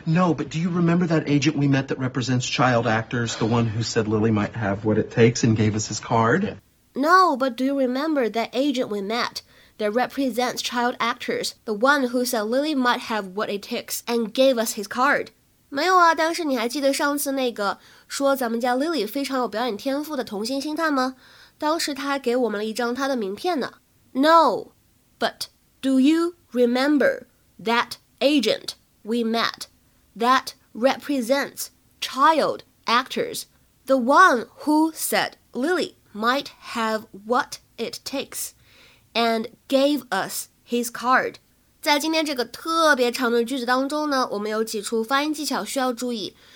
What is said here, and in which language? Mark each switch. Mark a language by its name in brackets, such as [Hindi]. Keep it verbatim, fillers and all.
[English] No, but do you remember that agent we met that represents child actors? The one who said Lily might have what it takes and gave us his card? Yeah. No, but do you remember that agent we met that represents child actors? The one who said Lily might have what it takes and gave us his card. [Chinese] 没有啊，但是你还记得上次那个说咱们家 Lily 非常有表演天赋的童星星探吗？当时他还给我们了一张他的名片呢。 [English] No, but do you remember that agent we met that represents child actors? The one who said Lily might have what it takes and gave us his card. [Chinese] 在今天这个特别长的句子当中呢，我们有几处发音技巧需要注意。